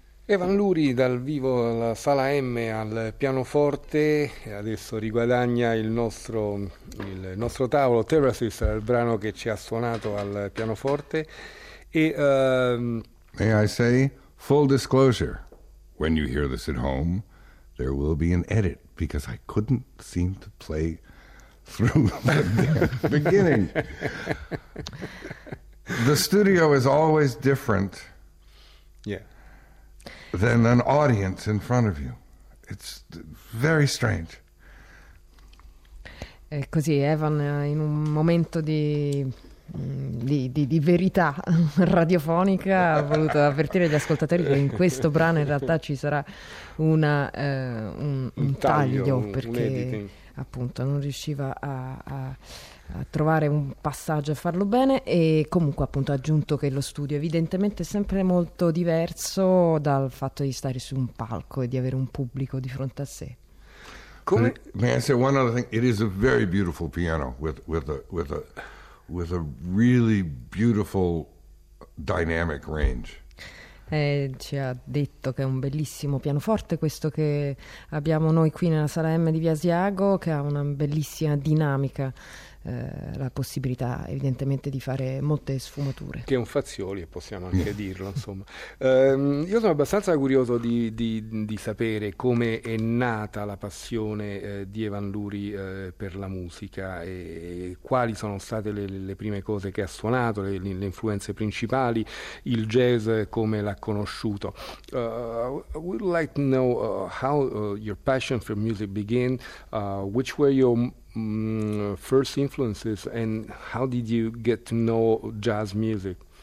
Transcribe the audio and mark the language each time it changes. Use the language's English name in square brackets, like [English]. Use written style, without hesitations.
[Italian] Evan Luri dal vivo alla Sala M al pianoforte, adesso riguadagna il nostro tavolo. Terraces, il brano che ci ha suonato al pianoforte. E, [English] May I say, full disclosure, when you hear this at home, there will be an edit because I couldn't seem to play through the beginning. The studio is always different. Yeah. Than an audience in front of you. It's very strange. [Italian] È così, Evan, in un momento di verità radiofonica ha voluto avvertire gli ascoltatori che in questo brano in realtà ci sarà un taglio perché appunto non riusciva a trovare un passaggio a farlo bene, e comunque appunto ha aggiunto che lo studio evidentemente è sempre molto diverso dal fatto di stare su un palco e di avere un pubblico di fronte a sé. [English] Come? May I say one other thing? It is a very beautiful piano with a really beautiful dynamic range. [Italian] Ci ha detto che è un bellissimo pianoforte questo che abbiamo noi qui nella Sala M di Via Asiago, che ha una bellissima dinamica. La possibilità evidentemente di fare molte sfumature. Che è un Fazioli, possiamo anche dirlo, insomma. Io sono abbastanza curioso di sapere come è nata la passione di Evan Luri per la musica e quali sono state le prime cose che ha suonato, le influenze principali, il jazz come l'ha conosciuto. [English] I would like to know how your passion for music began, which were your first influences, and how did you get to know jazz music?